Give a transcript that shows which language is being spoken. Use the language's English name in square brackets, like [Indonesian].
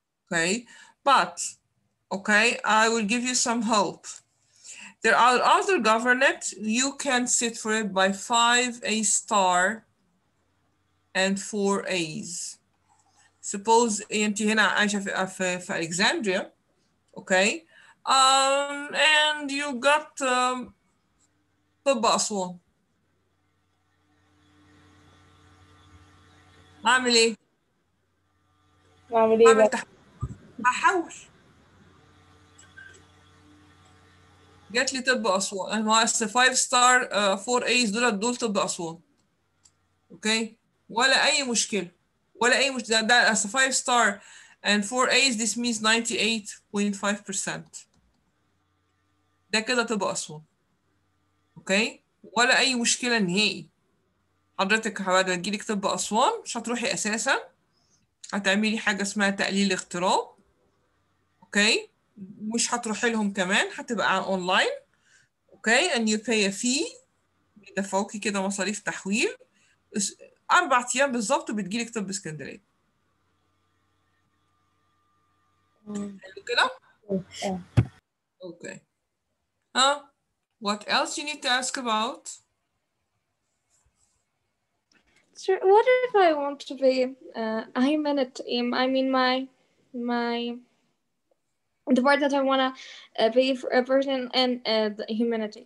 [English] Okay, but, okay, I will give you some hope. There are other governance. You can sit for it by 5 A-star and 4 A's. Suppose [Arabic] انتي هنا عايشة في Alexandria, okay? [English] And you got [Arabic] طب أسوان. أعمل إيه؟ أحاول. جات لي طب أسوان. أنا معاست [English] 5-star 4 A's [Arabic] دول طب أسوان. Okay؟ ولا أي مشكلة. ولا أي مشكلة. [English] That as a 5-star and 4 A's, this means 98.5%. [Arabic] ده كده طب أسوان. Okay؟ ولا أي مشكلة نهائي. حضرتك بعد ما تجيلك طب أسوان مش هتروحي أساسا. هتعملي حاجة اسمها تقليل اغتراب. Okay؟ مش هتروحي لهم كمان. هتبقى أونلاين. [English] Okay؟ And you pay a fee. [Arabic] بيدفعوكي كده مصاريف تحويل. 4 أيام بالظبط وبتجيلك طب اسكندرية. حلو كده؟ Okay. [English] What else you need to ask about? Sir, what if I want to be I'm in a team. I mean my the part that I wanna be for a person in the humanity.